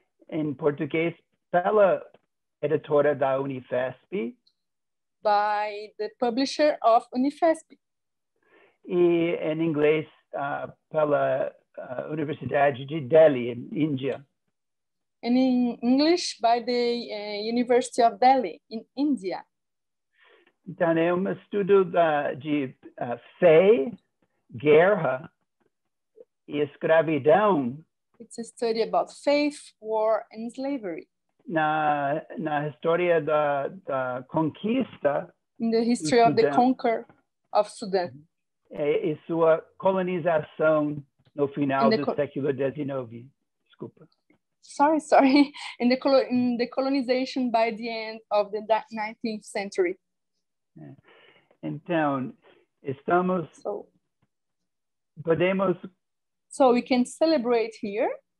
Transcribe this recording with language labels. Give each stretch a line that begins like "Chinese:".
Portuguese: Em português pela editora da Unifesp.
English: By the publisher of Unifesp.
Portuguese: E em inglês pela Universidade de Delhi,
English: in India. And in English by the University of Delhi, in India.
Portuguese: Então é estudo de fé, guerra e escravidão.
English: It's a study about faith, war, and slavery.
Portuguese: Na história da conquista.
English: In the history of the conquer of Sudan.
Portuguese: E sua colonização no final do século XIX. Desculpa.
English: Sorry. In the colonization by the end of the 19th century.
Portuguese: Então, estamos... Podemos...
English: So we can celebrate here.